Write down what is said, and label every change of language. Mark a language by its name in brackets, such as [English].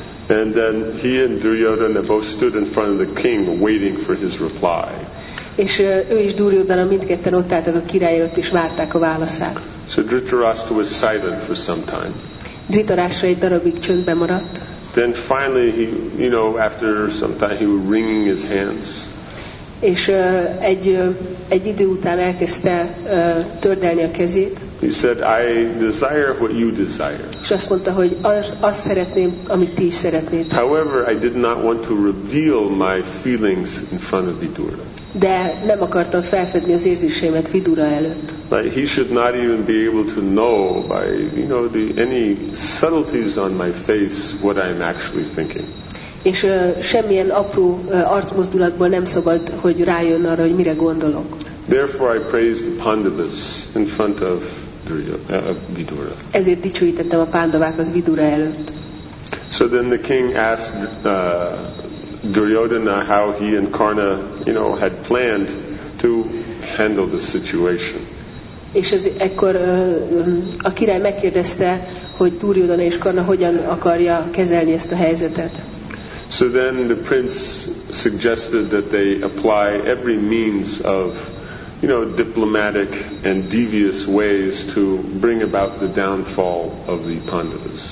[English] And then he and Duryodhana both stood in front of the king waiting for his reply. [Hungarian] És ő is Duryodhana mindketten ott álltak a király előtt és várták a válaszát. [English] So Dhritarashtra was silent for some time. [Hungarian] Dhritarashtra egy darabig csöndben maradt. [English] Then finally he, you know, after some time he was wringing his hands. [Hungarian] És egy idő után elkezdte tördelni a kezét. [English] He said, I desire what you desire. [Hungarian] És azt mondta, hogy azt szeretném, amit ti is szeretnétek. [English] However, I did not want to reveal my feelings in front of Vidura. [Hungarian] De nem akartam felfedni az érzéseimet Vidura előtt. [English] Like he should not even be able to know by, you know, any subtleties on my face what I am actually thinking. [Hungarian] És semmilyen apró arcmozdulatból nem szabad, hogy rájön arra, hogy mire gondolok. [English] Therefore I praised the Pandavas in front of Vidura. [Hungarian] Ezért dicsőítettem a Pandavákat Vidura előtt. [English] So then the king asked Duryodhana how he and Karna, you know, had planned to handle the situation. [Hungarian] És ez ekkor a király megkérdezte, hogy Duryodhana és Karna hogyan akarja kezelni ezt a helyzetet. [English] So then the prince suggested that they apply every means of, you know, diplomatic and devious ways to bring about the downfall of the Pandavas.